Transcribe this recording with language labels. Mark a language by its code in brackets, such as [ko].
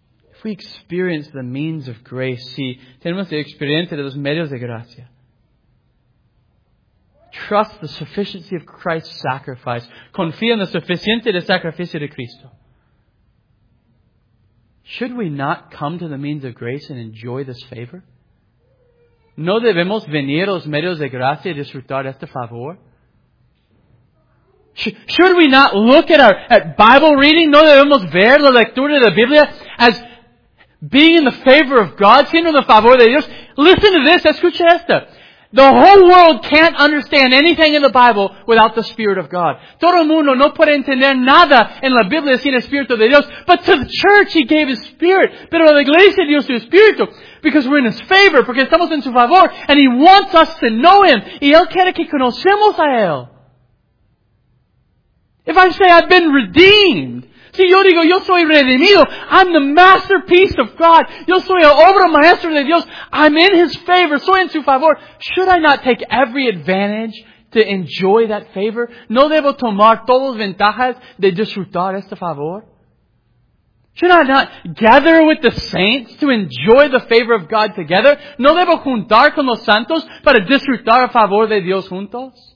[en] if we experience the means of grace, [es] si tenemos la experiencia de los medios de gracia, [en] trust the sufficiency of Christ's sacrifice. [es] Confía en la suficiencia del sacrificio de Cristo. [en] Should we not come to the means of grace and enjoy this favor? [es] ¿No debemos venir a los medios de gracia y disfrutar este favor? [en] Should we not look at Bible reading? [es] ¿No debemos ver la lectura de la Biblia [en] as being in the favor of God, [es] siendo en el favor de Dios? [en] Listen to this. [es] Escucha esto. [en] The whole world can't understand anything in the Bible without the Spirit of God. [es] Todo el mundo no puede entender nada en la Biblia sin el Espíritu de Dios. [en] But to the church He gave His Spirit. [es] Pero a la iglesia dio su Espíritu. [en] Because we're in His favor. [es] Porque estamos en su favor. [en] And He wants us to know Him. [es] Y Él quiere que conocemos a Él. [en] If I say I've been redeemed. [es] Si yo digo, yo soy redimido, [en] I'm the masterpiece of God. [es] Yo soy el obra maestra de Dios. [en] I'm in His favor. [es] Soy en su favor. [en] Should I not take every advantage to enjoy that favor? [es] ¿No debo tomar todas las ventajas de disfrutar este favor? [en] Should I not gather with the saints to enjoy the favor of God together? [es] ¿No debo juntar con los santos para disfrutar el favor de Dios juntos?